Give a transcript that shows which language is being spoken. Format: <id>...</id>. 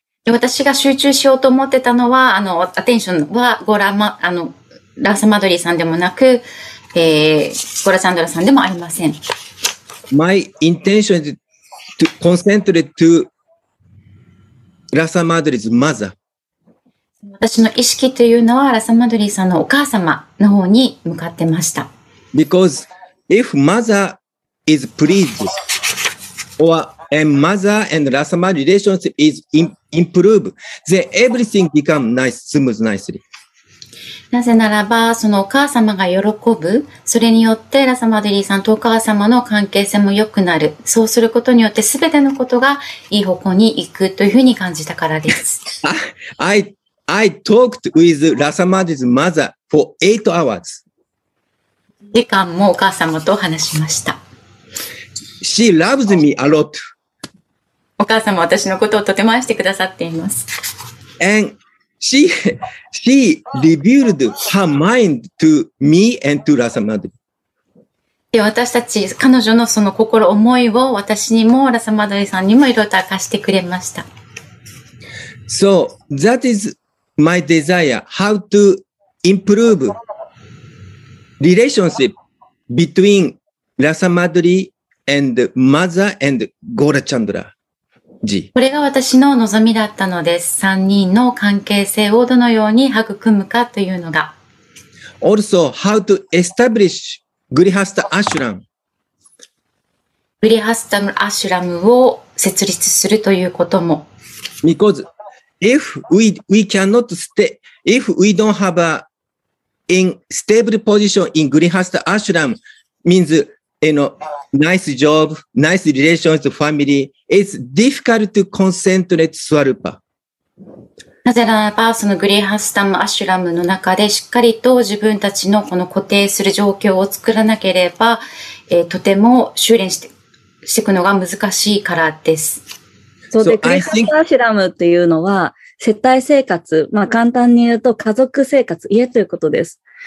<ja>私が集中しようと思ってたのは、アテンションはゴラマ、ラサマドリーさんでもなく、ゴラチャンドラさんでもありません。</ja> <en>My intention is to concentrate to ラサマドリーズ mother.</en> <ja>私の意識というのは、ラサマドリーさんのお母様の方に向かってました。</ja> <en>Because if mother is pleased, or and mother and ラサマ relationship is impossible,improve, then everything become nice, smooth, nicely.</en> <ja>なぜならば、そのお母様が喜ぶ、それによってラサマドリーさんとお母様の関係性も良くなる、そうすることによって全てのことがいい方向に行くというふうに感じたからです。</ja> <en>I talked with Rasamadri's mother for 8 hours.</en> <ja>時間もお母様と話しました。</ja> <en>She loves me a lot.</en> <ja>お母様は私のことをとても愛してくださっています。</ja> <en>And she revealed her mind to me and to Rasa Madri.</en> <ja>で、私たち、彼女のその心、思いを私にも、Rasa Madriさんにもいろいろと明かしてくれました。</ja> <en>So, that is my desire, how to improve relationship between Rasa Madri and mother and Gora Chandra.</en> <ja>これが私の望みだったのです。三人の関係性をどのように育むかというのが。</ja> <en>Also, how to establish Grihastha Ashram.</en> <ja>Grihastha Ashram を設立するということも。</ja> <en>Because if we cannot stay, if we don't have a in stable position in Grihastha Ashram, means,You know, nice job, nice relations, family. It's difficult to concentrate Swarupa.</en> <ja>なぜならば、そのグリハスタムアシュラムの中でしっかりと自分たちのこの固定する状況を作らなければ、とても修練していくのが難しいからです。そうで、グリハスタムアシュラムというのは、世帯生活、まあ簡単に言うと家族生活、家ということです。</ja>